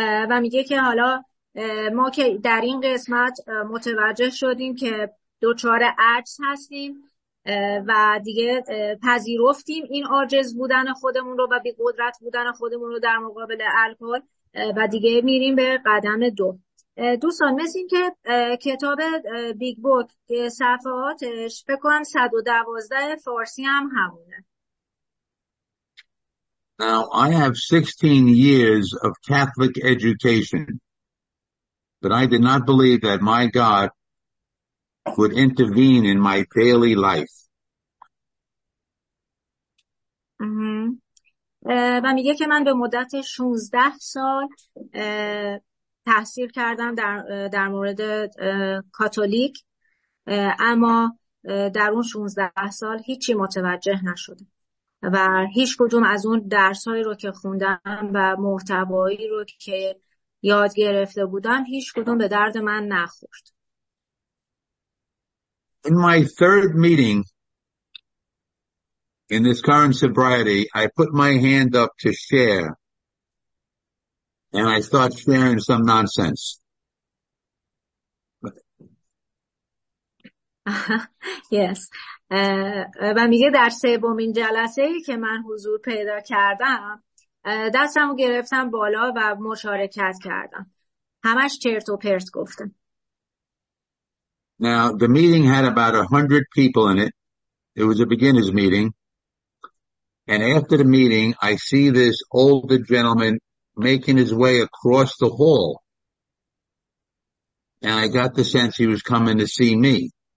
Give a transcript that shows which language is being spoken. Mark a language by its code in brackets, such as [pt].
[fa] و میگه که حالا ما که در این قسمت متوجه شدیم که دچار عجز هستیم و دیگه پذیرفتیم این عاجز بودن خودمون رو و بی قدرت بودن خودمون رو در مقابل الکل و دیگه میریم به قدم دو. دوستان مثل این که کتاب بیگ بوک صفحاتش فکر کنم 112 فارسی هم همونه. [en] Now I have 16 years of Catholic education but I did not believe that my God would intervene in my daily life. [fa] و میگه که من به مدت 16 سال تحصیل کردم در مورد کاتولیک اما در اون 16 سال هیچی متوجه نشدم و هیچ کدوم از اون درسایی رو که خوندم و محتوایی رو که یاد گرفته بودم هیچ کدوم به درد من نخورد. [en] In my third meeting in this current sobriety, I put my hand up to share and I start sharing some nonsense. Yes. [fa] و میگه در سومین جلسه ای که من حضور پیدا کردم دستم رو گرفتم بالا و مشارکت کردم. همش چرت و پرت گفتم. [en] Now, the meeting had about 100 people in it. It was a beginner's meeting. And after the meeting, I see this older gentleman making his way across the hall. And I got the sense he was coming to see me.